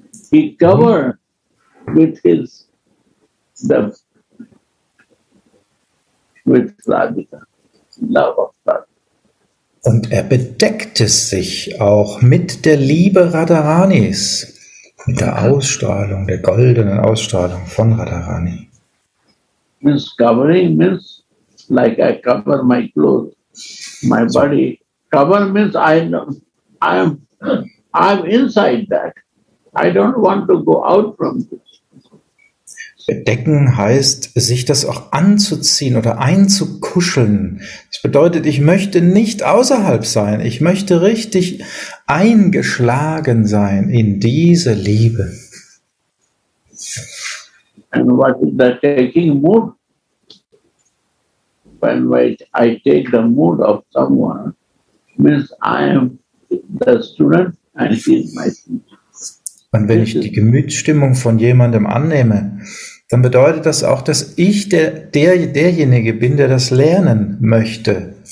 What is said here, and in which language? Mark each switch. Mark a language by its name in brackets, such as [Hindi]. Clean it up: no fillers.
[English] He covered with his with Radhika, love of Radhika. [German] Und er bedeckte sich auch mit der Liebe Radharanis, mit der Ausstrahlung, der goldenen Ausstrahlung von Radharani. [English] Means covering means like I cover my clothes, my body. Cover means I'm inside that. I don't want to go out from this. [German] Bedecken heißt, sich das auch anzuziehen oder einzukuscheln. Das bedeutet, ich möchte nicht außerhalb sein. Ich möchte richtig eingeschlagen sein in diese Liebe. [English] And what is the taking mood? When I take the mood of someone, means I am the student and he is my teacher. [German] Und wenn ich die Gemütsstimmung von jemandem annehme, dann bedeutet das auch, dass ich derjenige bin, der das lernen möchte.